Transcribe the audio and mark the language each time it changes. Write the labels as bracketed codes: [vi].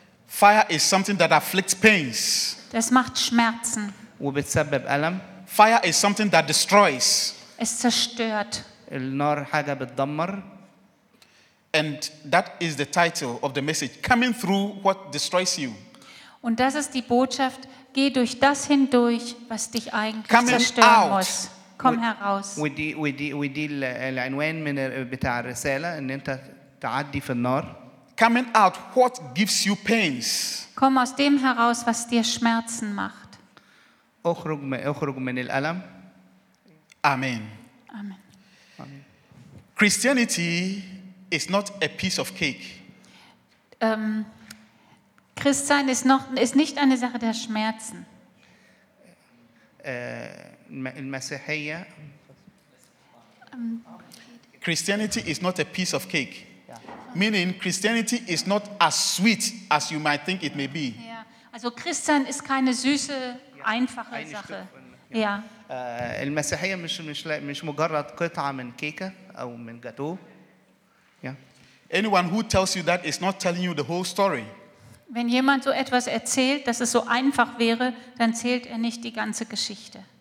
[en] Fire is something that afflicts pains. [de] Das macht Schmerzen. [ar] وبتسبب ألم. [en] Fire is something that destroys. [de] Es zerstört. [ar] النار حاجة بتدمر. [en] And that is the title of the message, coming through what destroys you. [de] Und das ist die Botschaft, geh durch das hindurch, was dich eigentlich [en] coming [de] zerstören [en] out. [de] Muss. Komm heraus. [ar] ودي العنوان من بتاع الرسالة ان انت تعدي في النار. [en] Coming out, what gives you pains? [de] Komm aus dem heraus, was dir Schmerzen macht. [ar] اخرج من الألم. [en] Amen. Amen. Christianity is not a piece of cake. [de] Christsein ist nicht eine Sache der Schmerzen. [ar] المسيحية. [en] Christianity is not a piece of cake. Meaning, Christianity is not as sweet as you might think it may be. Yeah. [de] Also Christsein ist keine süße, einfache Sache. Stück, ja. [ar] المسيحية مش مجرد قطعة من كيكة أو من جاتو. [en] Yeah. Anyone who tells you that is not telling you the whole story. [de] Wenn jemand so etwas erzählt, dass es so einfach wäre, dann zählt er nicht die ganze Geschichte.